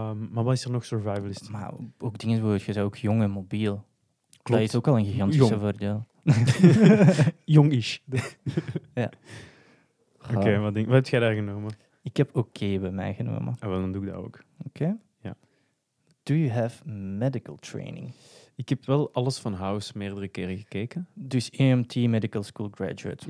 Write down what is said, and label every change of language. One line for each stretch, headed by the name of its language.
Dutch: Maar wat is er nog survivalist? Maar ook dingen zoals je zei, ook jong en mobiel. Klopt. Dat is ook al een gigantische voordeel. Jong-ish. Ja. Oké, wat heb jij daar genomen? Ik heb oké bij mij genomen. Ah, wel, dan doe ik dat ook. Oké. Ja.
English: Do you have medical training?
Dutch: Ik heb wel alles van House meerdere keren gekeken. Dus
English: EMT, medical school graduate.